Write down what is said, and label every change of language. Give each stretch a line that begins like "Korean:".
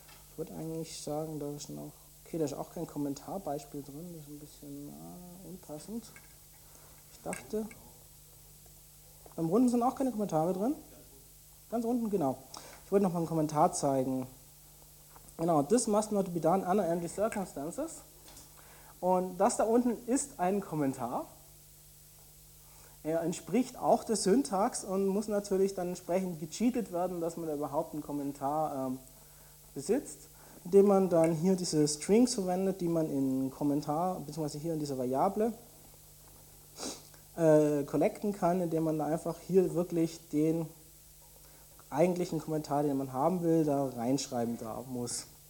German: Ich würde eigentlich sagen, da ist noch. Okay, da ist auch kein Kommentarbeispiel drin. Das ist ein bisschen unpassend. Ich dachte. Beim Runden sind auch keine Kommentare drin. Ganz unten, genau. Ich wollte noch mal einen Kommentar zeigen.
English: Genau, this must not be done under any circumstances.
German: Und das da unten ist ein Kommentar. Er entspricht auch der Syntax und muss natürlich dann entsprechend gecheatet werden, dass man da überhaupt einen Kommentar besitzt, indem man dann hier diese Strings verwendet, die man in Kommentar, beziehungsweise hier in dieser Variable, collecten kann, indem man da einfach hier wirklich den eigentlichen Kommentar, den man haben will, da reinschreiben da muss.